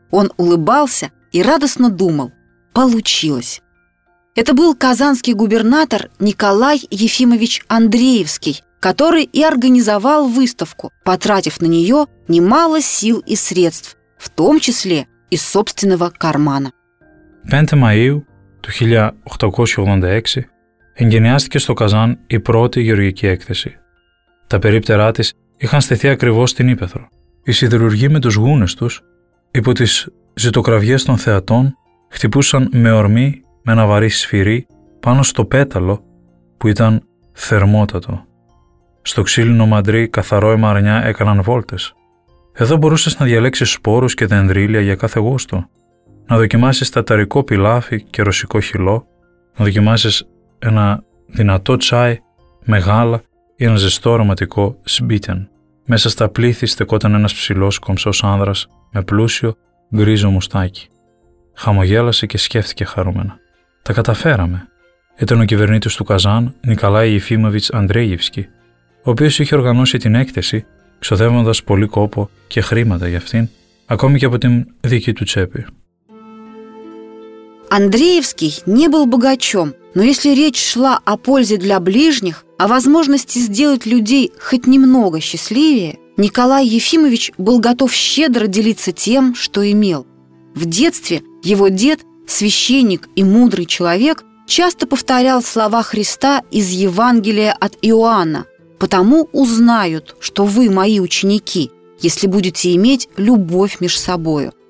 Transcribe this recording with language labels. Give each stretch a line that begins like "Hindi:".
Russian: Он улыбался и радостно думал: получилось. Это был казанский губернатор Николай Ефимович Андреевский, который и организовал выставку, потратив на нее немало сил и средств, в том числе из собственного кармана.
Greek: 5 мая 1886 εγκαινιάστηκε στο Καζάν η πρώτη γεωργική έκθεση. Τα περίπτερά της είχαν στηθεί ακριβώς στην Ήπεθρο. Οι σιδηρουργοί με τους γούνες τους, υπό τις ζητοκραυγές των θεατών, χτυπούσαν με ορμή, με ένα βαρύ σφυρί, πάνω στο πέταλο που ήταν θερμότατο. Στο ξύλινο μαντρί καθαρό αίμα αρνιά έκαναν βόλτες. Εδώ μπορούσες να διαλέξεις σπόρους και δενδρίλια για κάθε γούστο, να δοκιμάσεις ταταρικό πιλάφι και ρωσικό χυλό, να δοκιμάσεις ένα δυνατό τσάι με γάλα ή ένα ζεστό αρωματικό σμπίτεν. Μέσα στα πλήθη στεκόταν ένας ψηλός κομψός άνδρας με πλούσιο γκρίζο μουστάκι. Χαμογέλασε και σκέφτηκε χαρούμενα. Τα καταφέραμε. Ήταν ο κυβερνήτης του Καζάν, Νικολάη Ιφίμοβιτς Αντρέγευσκι, ο οποίος είχε οργανώσει την έκθεση, ξοδεύοντας πολύ κόπο και χρήματα για αυτήν, ακόμη και από την δική του τσέπη.
Russian: Андреевский не был богачом, но если речь шла о пользе для ближних, о возможности сделать людей хоть немного счастливее, Николай Ефимович был готов щедро делиться тем, что имел. В детстве его дед, священник и мудрый человек, часто повторял слова Христа из Евангелия от Иоанна: «Потому узнают, что вы мои ученики, если будете иметь любовь меж собою».